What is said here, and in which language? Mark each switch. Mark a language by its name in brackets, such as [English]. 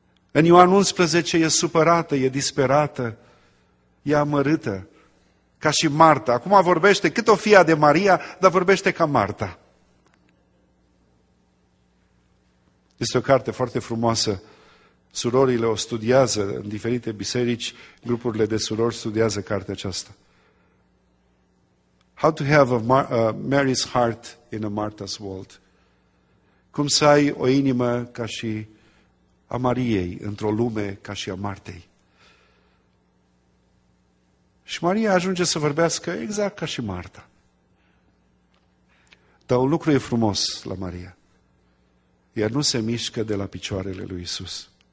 [Romanian] În Ioan 11, e supărată, e disperată, e amărâtă, ca și Marta. Acum vorbește cât o fie de Maria, dar vorbește ca Marta. Este o carte foarte frumoasă. Surorile o studiază în diferite biserici, grupurile de surori studiază cartea aceasta. [English] How to have Mary's heart in a Martha's world. [Romanian] Cum să ai o inimă ca și a Mariei, într-o lume ca și a Martei. Și Maria ajunge să vorbească exact ca și Marta. Dar un lucru e frumos la Maria. Ea nu se mișcă de la picioarele lui Iisus.